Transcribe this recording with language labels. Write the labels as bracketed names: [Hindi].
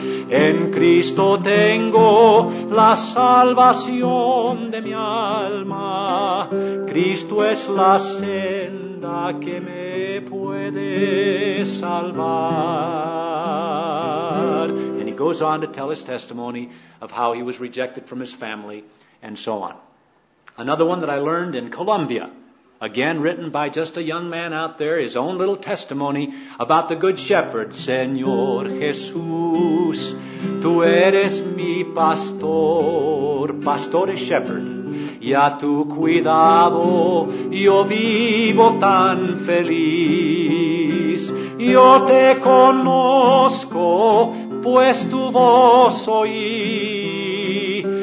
[Spanish] En Cristo tengo la salvación de mi alma. Cristo es la senda que me puede salvar. [English] And he goes on to tell his testimony of how he was rejected from his family and so on. Another one that I learned in Colombia, again, written by just a young man out there, his own little testimony about the Good Shepherd. [Spanish] Señor Jesús, tú eres mi pastor. [English] Pastor is shepherd. [Spanish] Y a tu cuidado yo vivo tan feliz. Yo te conozco, pues tu voz oí.